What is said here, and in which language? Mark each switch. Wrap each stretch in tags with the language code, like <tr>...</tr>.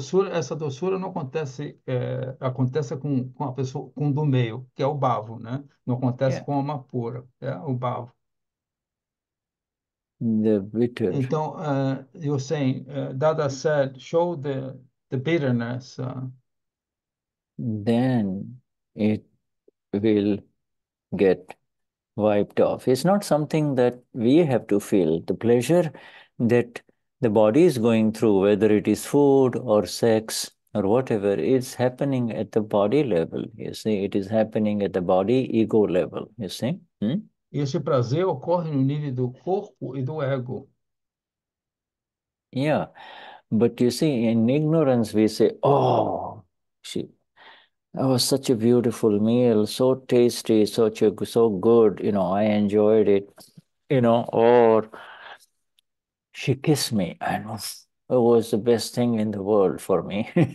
<pt>Essa doçura não acontece, acontece com a pessoa, com do meio, que é o bavo, né? Não acontece com a Amapura, é o bavo.</pt> <en>The bitter. Então, you're saying, Dada said, show the bitterness. Then it will get wiped off. It's not something that we have to feel. The pleasure that the body is going through, whether it is food or sex or whatever, it's happening at the body level. You see, it is happening at the body ego level. You see? Hmm?</en> <pt>Esse prazer ocorre no nível do corpo e do ego.</pt> <en>Yeah, but you see, in ignorance, we say, "Oh, shit. That was such a beautiful meal, so tasty, such a so good. You know, I enjoyed it. You know, or she kissed me, and it was the best thing in the world for me."</en>